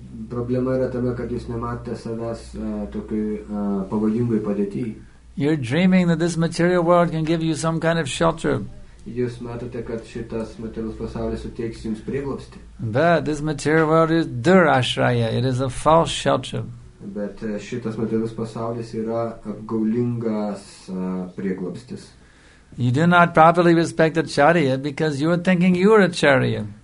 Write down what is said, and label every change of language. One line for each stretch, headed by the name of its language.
Lithuanian: Problema yra tame, kad jūs nematote savęs tokiu pavojingoj padėty.
English: You're dreaming that this material world can give you some kind of shelter.
Lithuanian: Jūs matote, kad šitas materialus pasaulis suteiks jums prieglobstį.
English: But this material world is durashraya. It is a false shelter.
Lithuanian: Bet šitas materialus pasaulis yra apgaulingas prieglobstis.
English: You do not properly respect acharya because you are thinking you are acharya.